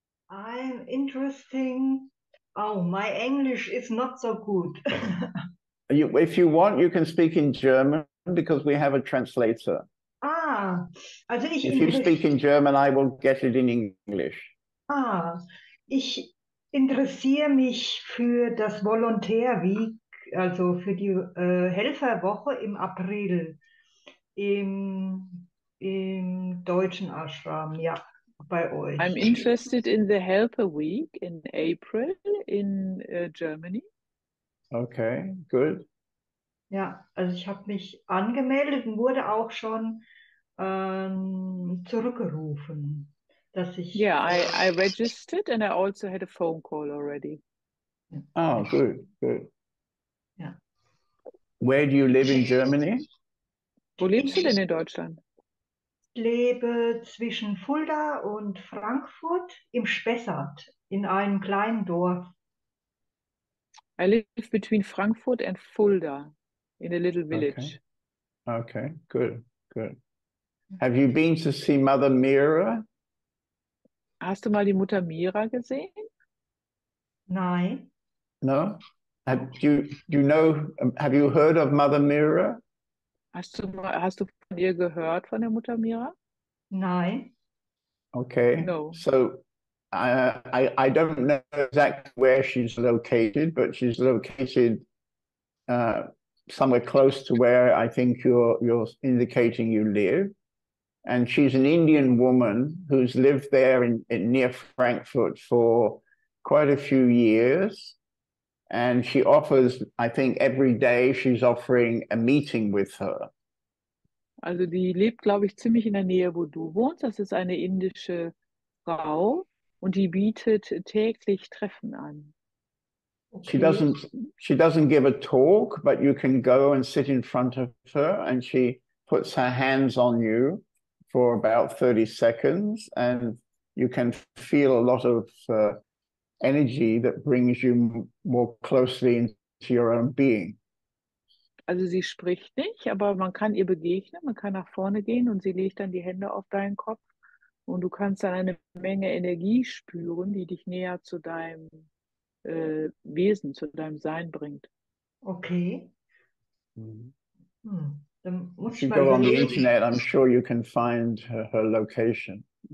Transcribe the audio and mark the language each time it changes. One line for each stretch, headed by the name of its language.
English: I'm interesting. Oh, my English is not so good. If you want, you can speak in German because we have a translator.
German: Ah, also ich.
English: If English... you speak in German, I will get it in English.
German: Ah, ich interessiere mich für das Volontärweek, also für die Helferwoche im April im deutschen Ashram, ja, bei euch.
English: I'm interested in the Helper Week in April in Germany. Okay, good.
German: Ja, also ich habe mich angemeldet und wurde auch schon zurückgerufen, dass ich...
English: Yeah, I registered and I also had a phone call already. Oh, good, good.
German: Ja.
English: Where do you live in Germany?
German: Wo lebst du denn in Deutschland? Lebe zwischen Fulda und Frankfurt im Spessart, in einem kleinen Dorf.
English: I live between Frankfurt and Fulda in a little village. Okay, good, good. Have you been to see Mother Mira?
German: Hast du mal die Mutter Mira gesehen? Nein.
English: No? Have you heard of Mother Mira?
German: Hast du von ihr gehört, von der Mutter Mira? Nein.
English: Okay. No. So I don't know exactly where she's located, but she's located somewhere close to where I think you're indicating you live. And she's an Indian woman who's lived there in near Frankfurt for quite a few years. And she offers, I think every day she's offering a meeting with her.
German: Also die lebt, glaube ich, ziemlich in der Nähe, wo du wohnst. Das ist eine indische Frau und die bietet täglich Treffen an.
English: Okay. She doesn't give a talk, but you can go and sit in front of her and she puts her hands on you for about 30 seconds and you can feel a lot of energy that brings you more closely into your own being.
German: Also sie spricht nicht, aber man kann ihr begegnen, man kann nach vorne gehen und sie legt dann die Hände auf deinen Kopf und du kannst dann eine Menge Energie spüren, die dich näher zu deinem Wesen, zu deinem Sein bringt.
English: Okay.
German: Dann muss ich mal
English: go on the internet, I'm sure you can find her location.